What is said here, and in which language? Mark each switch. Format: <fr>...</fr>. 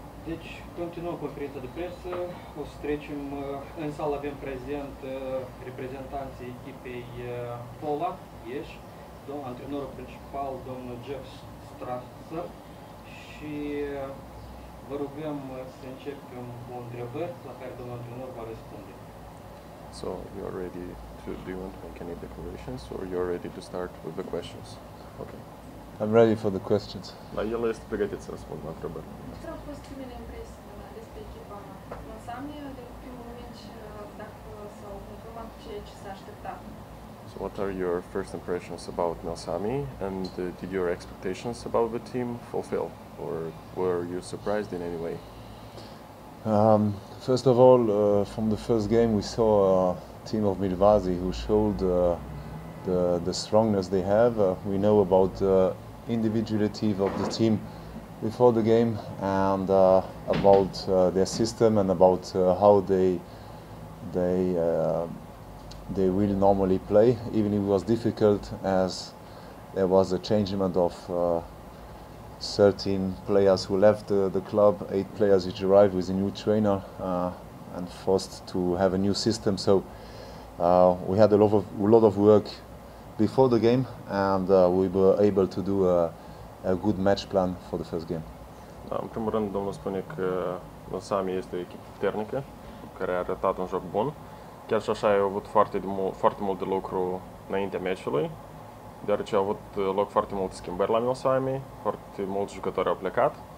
<ro>Deci continuăm conferința de presă, o să trecem, în sală avem prezent reprezentanții echipei Fola Eș, domnul antrenor principal, domnul Jeff Strasser, și vă rugăm să începem cu întrebări la care domnul antrenor va răspunde.</ro> <en>So, you're ready to, do you want to make any declarations or you're ready to start with the questions? Okay. I'm ready for the questions.</en> <ro>La el este pregătit să răspund la întrebări. Care au fost primele impresii despre echipa Milsami de primul moment și dacă s-au confirmat ceea ce s-a așteptat?</ro> <en>So what are your first impressions about Milsami and did your expectations about the team fulfill or were you surprised in any way? First of all, from the first game we saw a team of Milvazi who showed the strongness they have. We know about the individuality of the team before the game and about their system and about how they will normally play, even if it was difficult as there was a changement of 13 players who left the club, 8 players which arrived with a new trainer and forced to have a new system. So we had a lot of work before the game, and we were able to do a good match plan for the first game.</en> <ro>În primul rând, domnul spune că Milsami este o echipă puternică, care a arătat un joc bun. Chiar și așa, ai avut foarte mult de lucru înaintea meciului, deoarece au avut loc foarte multe schimbări la Milsami, foarte mulți jucători au plecat.</ro>